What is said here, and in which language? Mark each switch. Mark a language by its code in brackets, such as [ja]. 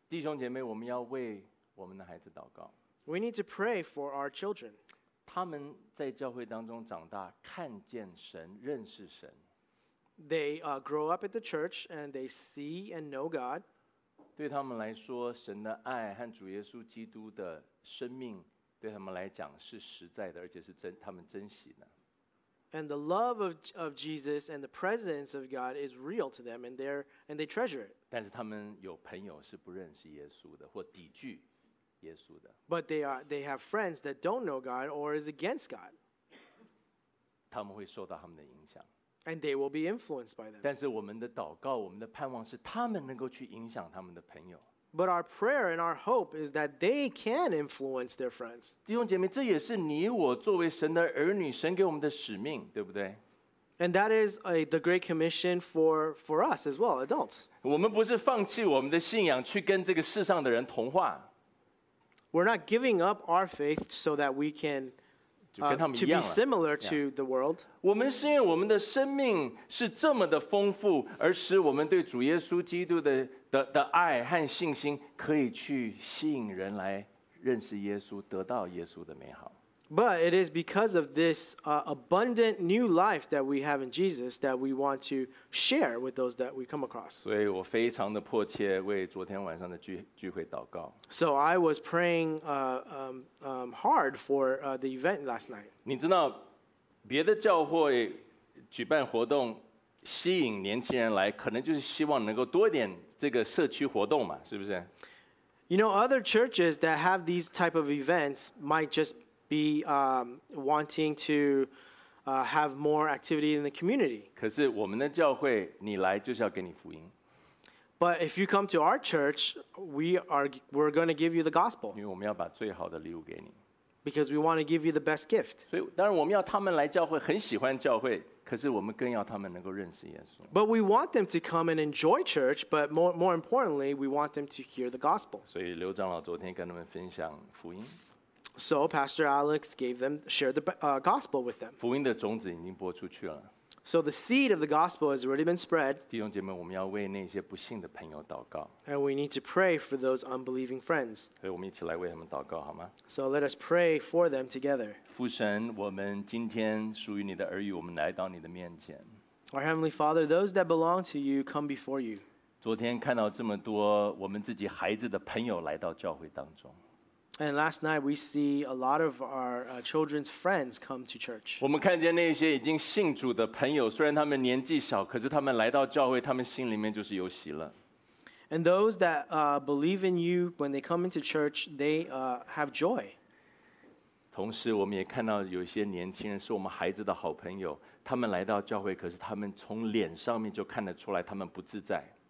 [zh] 弟兄姐妹，我们要为我们的孩子祷告。 [en] We need to pray for our children. [zh] 他们在教会当中长大，看见神，认识神。 [en] They grow up at the church and they see and know God. [zh] 对他们来说，神的爱和主耶稣基督的生命对他们来讲是实在的，而且是真，他们珍惜的。 [en] And the love of Jesus and the presence of God is real to them, and they treasure it. [zh] 但是他们有朋友是不认识耶稣的，或抵拒耶稣的。 [en] But they have friends that don't know God or is against God. [zh] 他们会受到他们的影响。 [en] And they will be influenced by them. [zh] 但是我们的祷告，我们的盼望是他们能够去影响他们的朋友。 [en] But our prayer and our hope is that they can influence their friends. [zh] 弟兄姐妹，这也是你我作为神的儿女，神给我们的使命，对不对？ [en] And that is the great commission for us as well, adults. [zh] 我们不是放弃我们的信仰去跟这个世上的人同化。 [en] We're not giving up our faith so that we can to be similar to the world. [zh] 我们是因为我们的生命是这么的丰富，而使我们对主耶稣基督的爱和信心可以去吸引人来认识耶稣，得到耶稣的美好。 [en] But it is because of this abundant new life that we have in Jesus that we want to share with those that we come across. [zh] 所以我非常的迫切为昨天晚上的聚会祷告。 [en] So I was praying hard for the event last night. [zh] 你知道，别的教会举办活动吸引年轻人来，可能就是希望能够多一点这个社区活动嘛，是不是？ [en] You know, other churches that have these type of events might just be wanting to have more activity in the community. [zh] 可是我们的教会，你来就是要给你福音。 [en] But if you come to our church, we're going to give you the gospel. [zh] 因为我们要把最好的礼物给你。 [en] Because we want to give you the best gift. [zh] 所以当然我们要他们来教会，很喜欢教会。可是我们更要他们能够认识耶稣。 [en] But we want them to come and enjoy church, but more importantly, we want them to hear the gospel. [zh] 所以刘长老昨天跟他们分享福音。 [en] So Pastor Alex shared the gospel with them. [zh] 福音的种子已经播出去了。 [en] So the seed of the gospel has already been spread. [zh] 弟兄姐妹，我们要为那些不信的朋友祷告。 [en] And we need to pray for those unbelieving friends. [zh] 所以我们一起来为他们祷告好吗？ [en] So let us pray for them together. [zh] 父神，我们今天属于你的儿女，我们来到你的面前。 [en] Our Heavenly Father, those that belong to you come before you. [zh] 昨天看到这么多我们自己孩子的朋友来到教会当中。 [en] And last night we see a lot of our children's friends come to church. [zh] 我们看见那些已经信主的朋友，虽然他们年纪小，可是他们来到教会，他们心里面就是有喜乐。 [en] And those that believe in you, when they come into church, they have joy. [zh] 同时，我们也看到有些年轻人是我们孩子的好朋友，他们来到教会，可是他们从脸上面就看得出来，他们不自在。